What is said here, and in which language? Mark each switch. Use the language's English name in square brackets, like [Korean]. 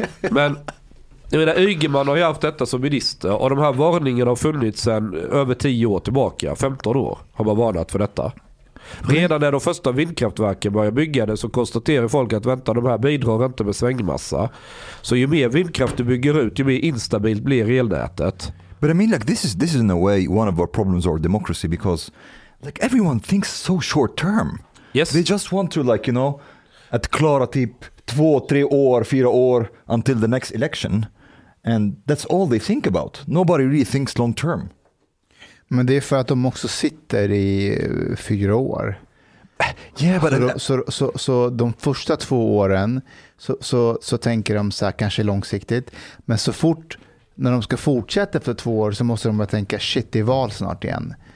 [Swedish] Men, jag menar, Ygeman har ju haft detta som minister. Och de här varningarna har funnits sedan över 10 år tillbaka. 15 år har man varnat för detta. Redan när de första vindkraftverken började bygga det så konstaterar folk att vänta, de här bidrar inte med svängmassa. Så ju mer vindkraft du bygger ut, ju mer instabilt blir elnätet. [English] But I mean, like, this is in a way one of our problems or democracy, because like everyone thinks so short term. Yes. They just want to, like, you know, [Swedish] att klara typ 2-4 år [English] until the next election. And that's all they think about. Nobody really thinks long term. [Swedish] Men det är för att de också sitter i 4 år. [English] Yeah, but [Swedish] så de första 2 åren så tänker de så här, kanske långsiktigt. Men så fort när de ska fortsätta efter 2 år så måste de bara tänka, shit, det är val snart igen.